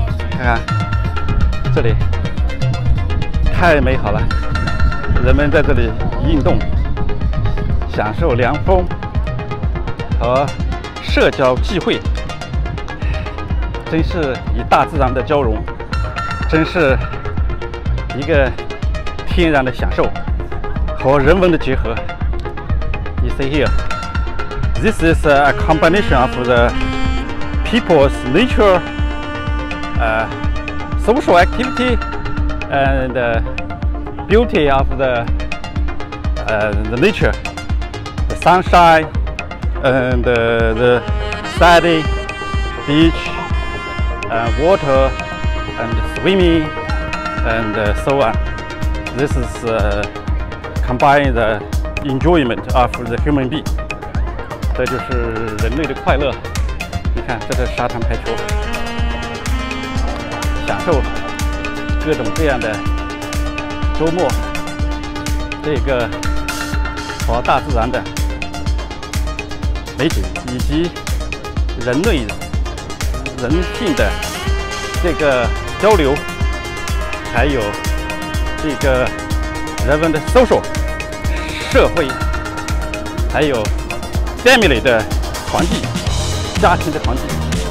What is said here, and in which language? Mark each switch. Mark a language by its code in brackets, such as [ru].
[zh] 看看这里太美好了，人们在这里运动享受凉风和社交聚会，真是与大自然的交融，真是一个天然的享受和人文的结合。 [en] You see here, this is a combination of the people's nature, social activity, and beauty of the nature, the sunshine. And the sandy beach, water, and swimming, and so on. This is combine the enjoyment of the human being. [zh] 这就是人类的快乐。你看，这是沙滩排球，享受各种各样的周末，这个和大自然的。美景以及人类人性的这个交流，还有这个人们的 social 社会，还有 family 的团聚，家庭的团聚。